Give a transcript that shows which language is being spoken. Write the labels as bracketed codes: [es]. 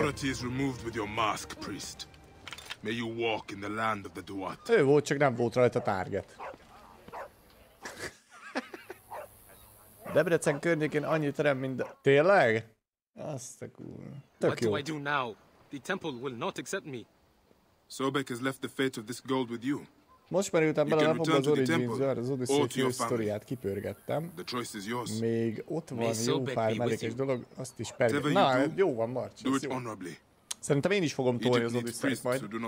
[en] Authority is removed with your mask, priest. May you walk in the land of the Duat. [hu] Ő volt, csak nem volt rajta target. Debrecen környékén annyi terem, mint... Tényleg? Azt a kúrva. Tök jó. [en] What do I do now? The temple will not accept me. Sobek has left the fate of this gold with you. [hu] Most már jöttem bele, lefogva az Origins-jar, az Odyssey sztoriát kipörgettem. [en] The choice is yours. [hu] Még ott van jó pár mellékes dolog, azt is pedig. Na, jó van, Marcs, ez jó. Szerintem én is fogom tolni az Odyssey-t majd.